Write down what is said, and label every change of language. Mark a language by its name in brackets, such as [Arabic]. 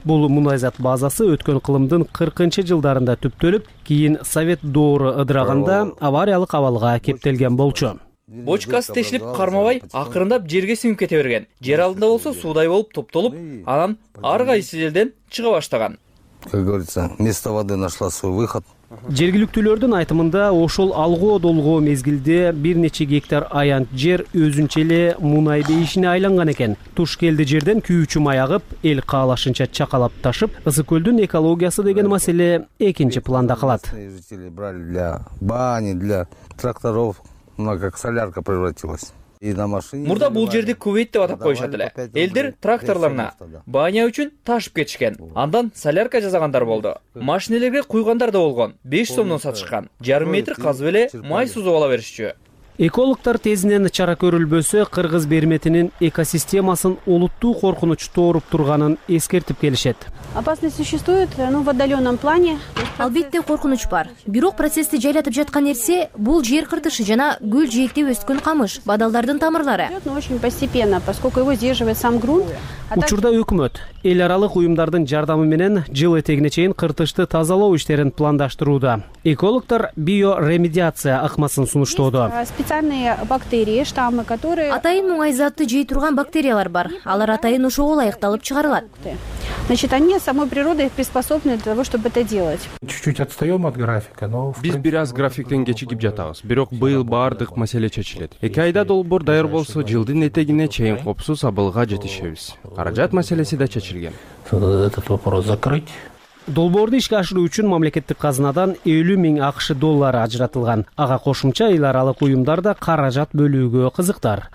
[Kyrgyz] Бул мунайзат базасы өткөн кылымдын 40-жылдарында түптөлүп, кийин совет доору ыдыраганда авариялык абалга кептелген болчу. Бочкасы тешилип кармабай, акырындап жерге сиңип кете берген. Жер алдында болсо суудай болуп топтолуп, анан ар кайсы жерден чыга баштаган. [Russian] Как говорится, вместо воды нашла свой выход. [Kyrgyz] Жергиликтүүлөрдүн айтымында ошол алгоо долгоо мезгилде бир нече гектар аянт жер өзүнчө эле мунай бейишине айланган экен. Туш келди жерден күйүүчү май агып, эл каалашынча чакалап ташып, Ысык Көлдүн экологиясы деген маселе экинчи планда калат. [Russian] Жители брали для бани, для тракторов, [Kyrgyz] мына [Russian] как солярка превратилась. [Kyrgyz] Мурда бул жерди Кувейт деп атап коюшат эле. Элдер тракторлоруна баня үчүн ташып кетишкен. Андан солярка жасагандар болду. Машинелерге куйгандар да болгон. 5 сомдон сатышкан. Жарым метр казып эле май сузуп ала беришчү. Экологтор тезинен чара көрүлбөсө кыргыз берметинин экосистемасын олуттуу коркунуч тооруп турганын эскертип келишет. [Russian] Опасность существует, ну, в отдалённом плане. [Kyrgyz] Албетте коркунуч бар, бирок процессти жайлатып жаткан нерсе бул жер кыртышы жана гүл жээктеп өскөн камыш, бадалдардын тамырлары. [Russian] Очень постепенно, поскольку его сдерживает сам грунт. [Kyrgyz] Учурда өкмөт эл аралык уюмдардын жардамы менен жыл этегине чейин кыртышты тазалоо иштерин пландаштырууда. Экологтор биоремедиация ыкмасын сунуштоодо. [Russian] Специальные бактерии, штаммы, которые [Kyrgyz] атайын муңайзатты жей турган бактериялар бар. Алар атайын ошого ылайыкталып чыгарылат. [Russian] Значит, они самой природой приспособлены для того, чтобы это делать. Чуть-чуть отстаём от графика, но [Kyrgyz] биз бир аз графиктен кечигип жатабыз. Бирок быйыл баардык маселе чечилет. 2 айда долбоор даяр болсо, жылдын этегине чейин коопсуз абалга жетишебиз. Каражат маселеси да чечилген. [Russian] Этот вопрос закрыть. [Kyrgyz] Долбоорду ишке ашыруу үчүн мамлекеттик казынадан 50,000 АКШ доллары ажыратылган. Ага кошумча эл аралык уюмдар да каражат бөлүүгө кызыктар.